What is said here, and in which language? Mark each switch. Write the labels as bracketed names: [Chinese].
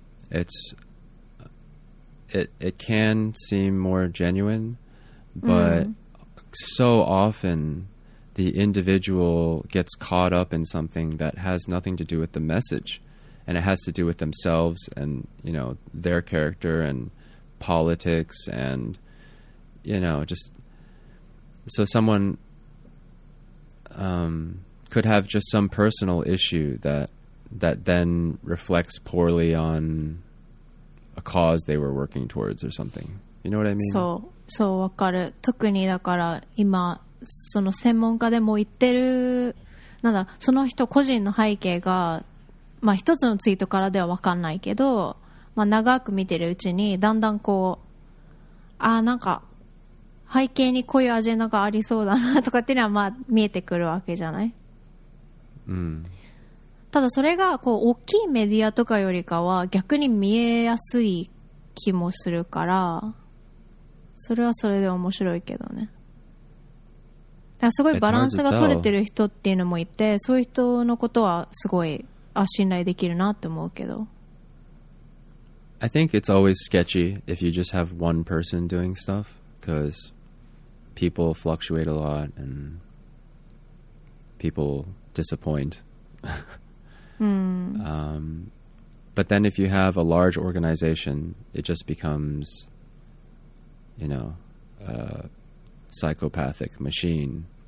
[English] It can seem more genuine, but so often the individual gets caught up in something that has nothing to do with the message, and it has to do with themselves and, you know, their character and politics and, you know, just so someone could have just some personal issue that then reflects poorly on a cause they were working towards or something. You know what I mean? [Japanese] そう、そう、わかる。特にだから今その専門家でも言ってる、なんだろう、その人個人の背景が、まあ、一つのツイートからでは分かんないけど、まあ、長く見てるうちにだんだんこう、あ、なんか背景にこういうアジェンダがありそうだなとかっていうのはまあ見えてくるわけじゃない。ただそれがこう大きいメディアとかよりかは逆に見えやすい気もするから、それはそれで面白いけどね。だからすごいバランスが取れてる人っていうのもいて、そういう人のことはすごい、あ、信頼できるなって思うけど、 [English] I think it's always sketchy if you just have one person doing stuff because people fluctuate a lot and people disappoint. But then if you have a large organization, it just becomes, you know, a psychopathic machine.